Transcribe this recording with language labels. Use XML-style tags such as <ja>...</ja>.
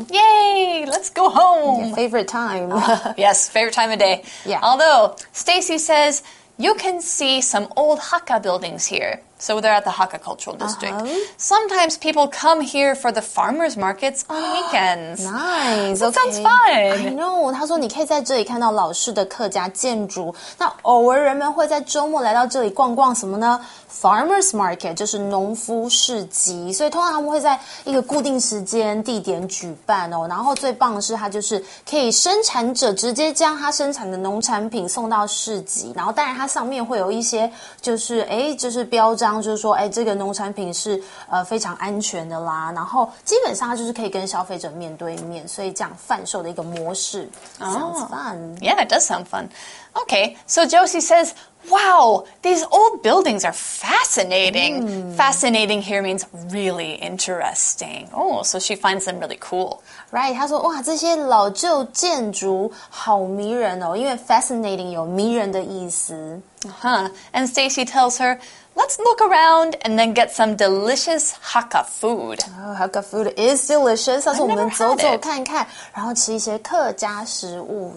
<en>Yay! Let's go home!、 Yeah, favorite time. Yes, favorite time of day. Yeah. Although, Stacy says, you can see some old Hakka buildings here. So they're at the Hakka Cultural District.、 Uh-huh. Sometimes people come here for the farmers markets on weekends. Nice. That sounds fun. I know.</en> <zh>他说你可以在这里看到老式的客家建筑。那偶尔人们会在周末来到这里逛逛什么呢? Farmers market, 就是农夫市集。所以通常他们会在一个固定时间地点举办哦。然后最棒的是它就是可以生产者直接将他生产的农产品送到市集。然后当然它上面会有一些就是就是标志。就是说这个农产品是非常安全的啦，然后基本上它就是可以跟消费者面对面，所以这样贩售的一个模式、</zh> <en>oh, sounds fun. Yeah, it does sound fun. Okay, so Josie says, wow, these old buildings are fascinating. Fascinating here means really interesting. Oh, so she finds them really cool. Right,</en> <zh>她说哇这些老旧建筑好迷人哦，因为 fascinating 有迷人的意思。</zh> <en>Uh-huh. And Stacy tells her,Let's look around and then get some delicious Hakka food. Oh, Hakka food is delicious.</en> <zh>我们走走看看，然后吃一些客家食物。</zh>